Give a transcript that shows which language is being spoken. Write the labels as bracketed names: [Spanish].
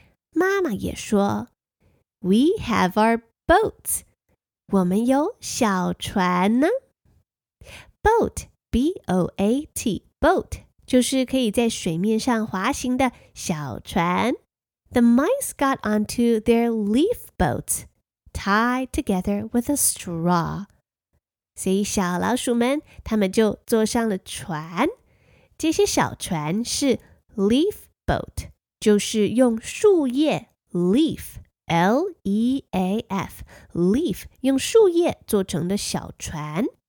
[Chinese] 妈妈也说 [English] We have our boats. [Chinese] 我们有小船呢。 [English] Boat, B-O-A-T, boat, [Chinese] 就是可以在水面上滑行的小船。 [English] The mice got onto their leaf boats, tied together with a straw. [Chinese] 所以小老鼠们他们就坐上了船。这些小船是 [English] leaf boats,Boat, [Chinese] 就是用树叶 [English] leaf, L-E-A-F, leaf, [Chinese] 用树叶做成的小船。